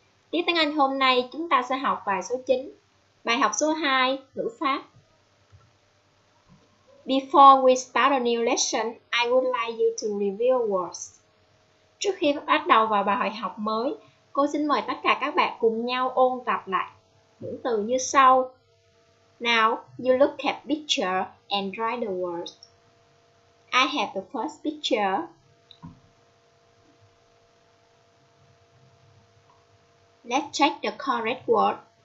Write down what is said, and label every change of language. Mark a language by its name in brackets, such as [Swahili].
[Vietnamese] Tiếng tiếng Anh hôm nay chúng ta sẽ học bài số 9, bài học số 2, ngữ pháp. [English] Before we start a new lesson, I would like you to review words. [Vietnamese] Trước khi bắt đầu vào bài học mới, cô xin mời tất cả các bạn cùng nhau ôn tập lại những từ như sau. [English] Now, you look at picture and write the words. I have the first picture. Let's check the correct word.